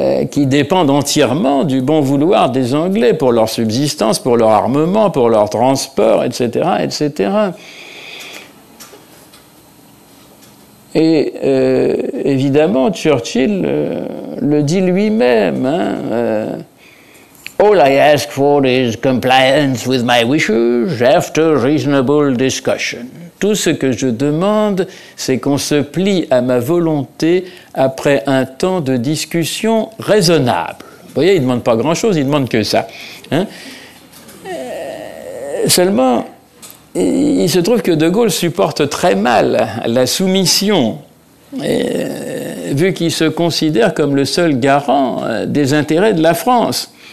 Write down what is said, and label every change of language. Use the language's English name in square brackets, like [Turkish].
[French] qui dépendent entièrement du bon vouloir des Anglais pour leur subsistance, pour leur armement, pour leur transport, etc., etc. Et évidemment, Churchill le dit lui-même, hein, [English] All I ask for is compliance with my wishes after reasonable discussion. [French] Tout ce que je demande, c'est qu'on se plie à ma volonté après un temps de discussion raisonnable. Vous voyez, il ne demande pas grand-chose, il ne demande que ça. Hein? Seulement, il se trouve que De Gaulle supporte très mal la soumission, vu qu'il se considère comme le seul garant des intérêts de la France.